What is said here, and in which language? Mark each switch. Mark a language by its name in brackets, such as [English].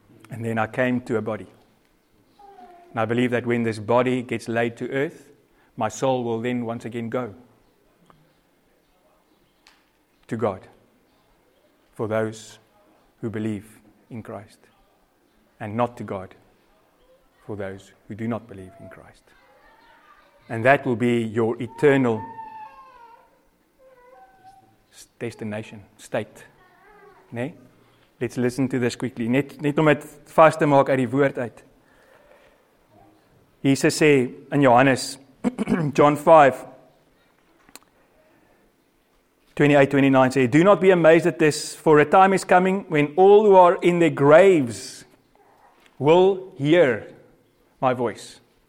[English] And then I came to a body. And I believe that when this body gets laid to earth, my soul will then once again go to God for those who believe in Christ, and not to God for those who do not believe in Christ. And that will be your eternal destination, state. [Afrikaans] Nee? [English] Let's listen to this quickly. [Afrikaans] Net om het vast te maak uit die woord uit. [English] Jesus [Afrikaans] sê in Johannes, [English] John 5, 28, 29, say, do not be amazed at this, for a time is coming when all who are in their graves will hear my voice.